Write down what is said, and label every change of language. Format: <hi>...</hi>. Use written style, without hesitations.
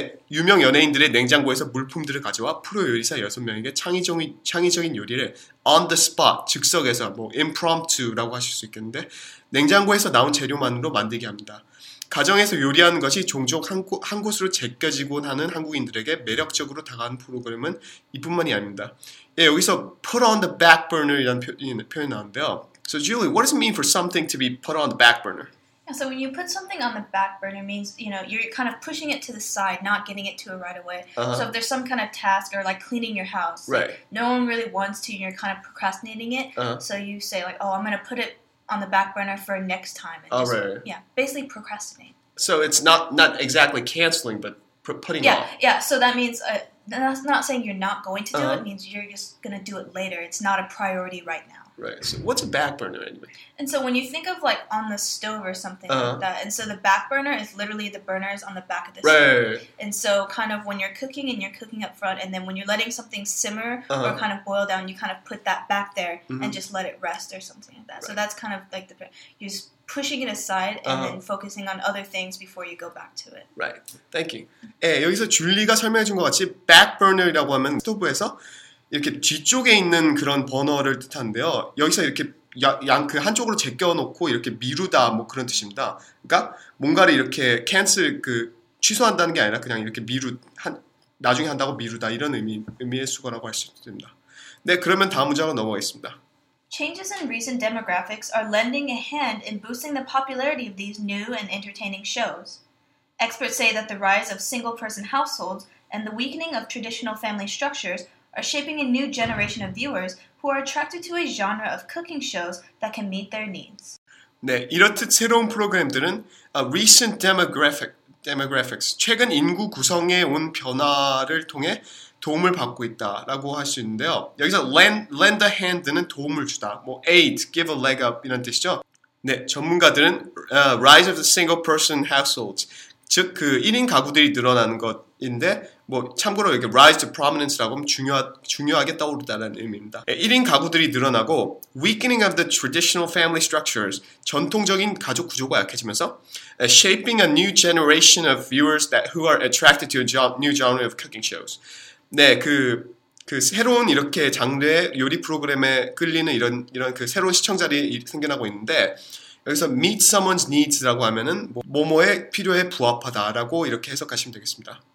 <ko>유명 연예인들의 냉장고에서 물품들을 가져와 프로 요리사 6명에게 창의적인 요리를</ko> <en>on the spot,</en> <ko>즉석에서 뭐 impromptu라고 하실 수 있겠는데 냉장고에서 나온 재료만으로 만들게 합니다. 가정에서 요리하는 것이 종종 한 곳으로 제껴지곤 하는 한국인들에게 매력적으로 다가온 프로그램은 이뿐만이 아닙니다. 여기서</ko> <en>put on the back burner</en> <ko>이라는 표현이 나왔는데요.</ko> <en>So Julie, what does it mean for something to be put on the back burner? Yeah, so when you put something on the back burner, it means, you know, you're kind of pushing it to the side, not getting it to it right away. Uh-huh. So if there's some kind of task or like cleaning your house, right. like, no one really wants to, and you're kind of procrastinating it. Uh-huh. So you say like, oh, I'm going to put it on the back burner for next time. And right. Yeah, basically procrastinate. So it's not exactly canceling, but putting yeah, off. Yeah, so that means... That's not saying you're not going to do it. It means you're just going to do it later. It's not a priority right now. Right. So what's a back burner anyway? And so when you think of like on the stove or something like that, and so the back burner is literally the burners on the back of the right. Right. And so kind of when you're cooking and you're cooking up front, and then when you're letting something simmer or kind of boil down, you kind of put that back there and just let it rest or something like that. Right. So that's kind of like you're just pushing it aside and then focusing on other things before you go back to it. Right. Thank you.</en> <ko>여기서 줄리가 설명해 준 것 같이 back burner이라고 하면 스토브에서 이렇게 뒤쪽에 있는 그런 버너를 뜻하는데요. 여기서 이렇게 그 한쪽으로 제껴놓고 이렇게 미루다 뭐 그런 뜻입니다. 그러니까 뭔가를 이렇게 cancel 그 취소한다는 게 아니라 그냥 이렇게 나중에 한다고 미루다 이런 의미의 수거라고 할 수 있습니다. 네, 그러면 다음 문장으로 넘어가겠습니다.</ko> <en>Changes in recent demographics are lending a hand in boosting the popularity of these new and entertaining shows. Experts say that the rise of single-person households and the weakening of traditional family structures are shaping a new generation of viewers who are attracted to a genre of cooking shows that can meet their needs.</en> <ko>네, 이렇듯 새로운 프로그램들은</ko> <en>recent demographics,</en> <ko>최근 인구 구성에 온 변화를 통해 도움을 받고 있다라고 할 수 있는데요. 여기서</ko> <en>lend a hand</en> <ko>는 도움을 주다, 뭐 aid,</ko> <en>give a leg up</en> <ko>이런 뜻이죠. 네, 전문가들은</ko> <en>rise of the single person households,</en> <ko>즉, 그 1인 가구들이 늘어나는 것인데, 뭐, 참고로 이렇게</ko> <en>rise to prominence</en> <ko>라고 하면 중요하게 떠오르다는 의미입니다. 1인 가구들이 늘어나고,</ko> <en>weakening of the traditional family structures,</en> <ko>전통적인 가족 구조가 약해지면서,</ko> <en>shaping a new generation of viewers that who are attracted to a new genre of cooking shows.</en> <ko>네, 그 새로운 이렇게 장르의 요리 프로그램에 끌리는 이런 그 새로운 시청자들이 생겨나고 있는데, 여기서</ko> <en>meet someone's needs</en> <ko>라고 하면은 뭐뭐의 필요에 부합하다라고 이렇게 해석하시면 되겠습니다.</ko>